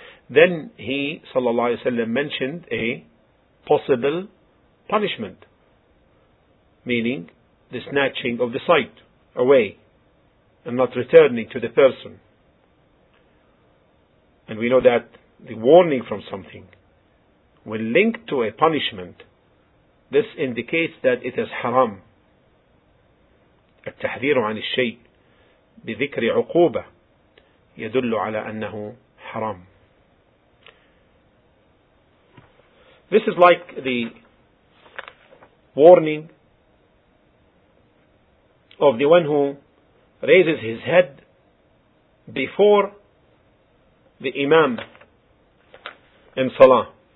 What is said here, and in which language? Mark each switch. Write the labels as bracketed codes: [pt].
[en] Then he sallallahu alaihi wasallam mentioned a possible punishment, meaning the snatching of the sight away and not returning to the person. And we know that the warning from something, when linked to a punishment, this indicates that it is haram. [ar] التحذير عن الشيء بذكر عقوبة يدل على أنه حرام. [en] This is like the warning of the one who raises his head before the Imam in Salah.